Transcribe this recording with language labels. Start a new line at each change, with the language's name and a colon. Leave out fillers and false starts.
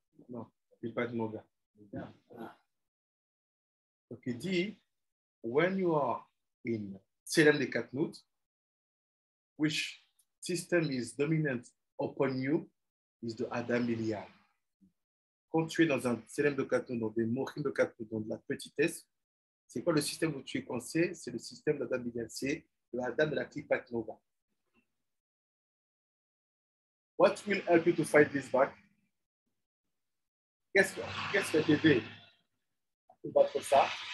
English: No, it's by Moga. Okay, D, when you are in Tselem de Katnout, which system is dominant upon you is the Adam Bilial.
French: Quand tu es dans un tselem de katnou, dans des mohim de katnou, dans de la petitesse, c'est quoi le système où tu es coincé? C'est le système d'Adam Bilial, c'est l'Adam de la klipat nova.
English: What will help you to fight this back?
French: Qu'est-ce que tu as fait à te battre ça?